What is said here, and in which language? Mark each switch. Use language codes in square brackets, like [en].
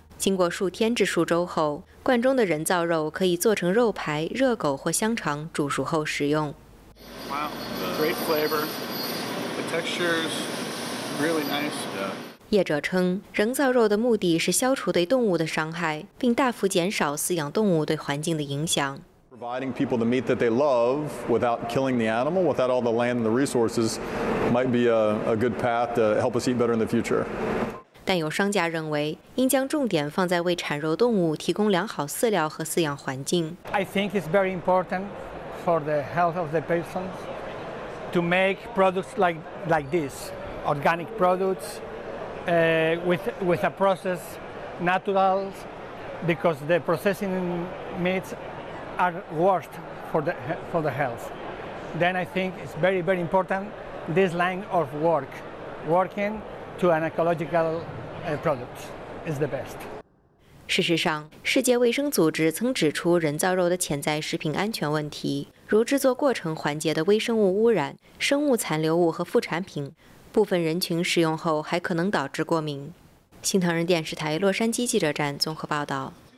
[zh] 经过数天至数周后，罐中的人造肉可以做成肉排、热狗或香肠，煮熟后食用。 [en] Wow, great flavor. The texture is really nice. [zh] 业者称，人造肉的目的是消除对动物的伤害，并大幅减少饲养动物对环境的影响。 [en] Providing people the meat that they love without killing the animal, without all the land and the resources, might be a good path to help us eat better in the future. [zh] 但有商家认为，应将重点放在为产肉动物提供良好饲料和饲养环境。 [en] I think it's very important for the health of the patients to make products like this organic products with a process natural, because the processing meats are worse for the health. Then I think it's very, very important this line of working to an ecological product is the best. [zh] 事实上，世界卫生组织曾指出人造肉的潜在食品安全问题，如制作过程环节的微生物污染、生物残留物和副产品，部分人群食用后还可能导致过敏。新唐人电视台洛杉矶记者站综合报道。